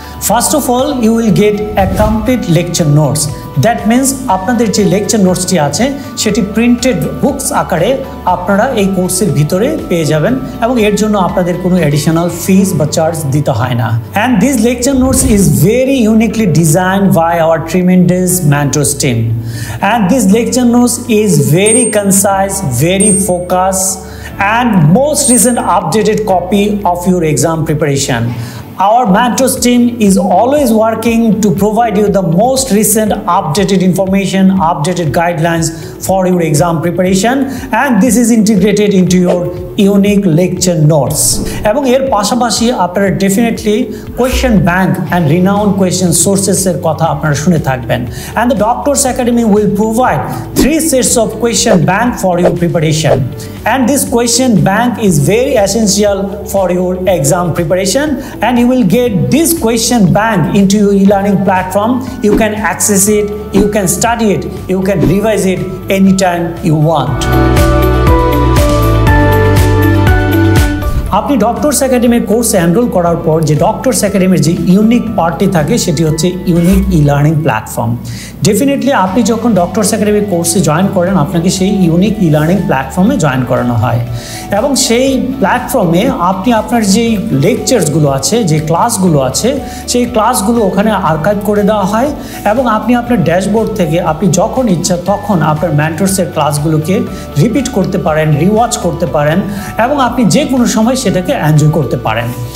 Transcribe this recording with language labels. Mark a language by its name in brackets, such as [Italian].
[English] first of all you will get a complete lecture notes, that means [Bangla] আপনাদের যে lecture নোটসটি আছে সেটি printed books আকারে আপনারা এই কোর্সের ভিতরে পেয়ে যাবেন এবং এর জন্য আপনাদের কোনো অ্যাডিশনাল ফিস বা চার্জ দিতে হয় না। [English] And this lecture notes is very uniquely design by our tremendous mentors team, and this lecture notes is very concise, very focus and most recent updated copy of your exam preparation. Our mentors team is always working to provide you the most recent updated information, updated guidelines for your exam preparation, and this is integrated into your unique lecture notes. [Bangla] Ebong er pashapashi apnara [English] definitely question bank and renowned question sources [Bangla] er kotha apnara shune thakben, [English] and the doctors academy will provide 3 sets of question bank for your preparation, and this question bank is very essential for your exam preparation, and you will get this question bank into your e-learning platform. You can access it, you can study it, you can revise it anytime you want. [Bangla] আপনি doctors একাডেমির কোর্সে enrol করার পর যে doctors একাডেমির যে unique পার্টটি থাকে সেটি হচ্ছে unique e learning platform. Definitely আপনি যখন ডক্টরস একাডেমির কোর্সে জয়েন করেন, আপনাকে সেই ইউনিক ই লার্নিং প্ল্যাটফর্মে জয়েন করানো হয় এবং সেই প্ল্যাটফর্মে আপনি আপনার যে লেকচারসগুলো আছে, যে ক্লাসগুলো আছে, সেই ক্লাসগুলো ওখানে আর্কাইভ করে দেওয়া হয় এবং আপনি আপনার ড্যাশবোর্ড থেকে আপনি যখন ইচ্ছা তখন আপনার মেন্টরসের ক্লাসগুলোকে রিপিট করতে পারেন, রিওয়াচ করতে পারেন এবং আপনি যে কোনো সময় সেটাকে এনজয় করতে পারেন।